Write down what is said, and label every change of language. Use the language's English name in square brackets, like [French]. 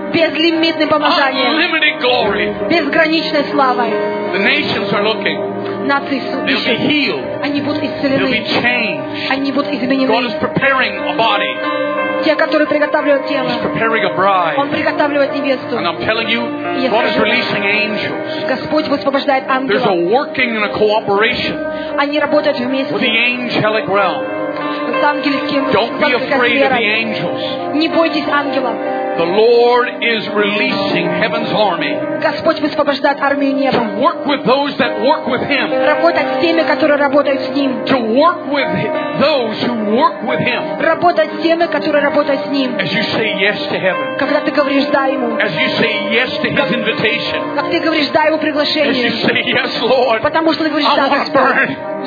[Russian] Безлимитным помазанием. [English] Unlimited glory. [Russian] Безграничной славой. [English] The nations are looking. They'll be healed. [Russian] Они будут исцелены. [English] They'll be changed. [Russian] Они будут изменены. [English] God is preparing a body. [Russian] те, которые приготавливают тело. [English] He's preparing a bride. [Russian] Он приготавливает невесту. [English] And I'm telling you, God is releasing angels. [Russian] Господь высвобождает ангелов. [English] There's a working and a cooperation. [Russian] Они работают вместе. [English] With the angelic realm. [Russian] С ангельским. [English] Don't be afraid of the angels. [Russian] Не бойтесь ангелов. [English] The Lord is releasing heaven's army. [Russian] Господь высвобождает армию неба. [English] To work with those that work with Him. [Russian] Работать с теми, которые работают с Ним. [English] To work with those who work with Him. [Russian] Работать с теми, которые работают с Ним. [English] As you say yes to heaven. [Russian] Когда ты говоришь да ему. [English] As you say yes to His invitation. [Russian] Как ты говоришь да его приглашению. [English] As you say yes, Lord. [Russian] Потому что ты говоришь да, Господь.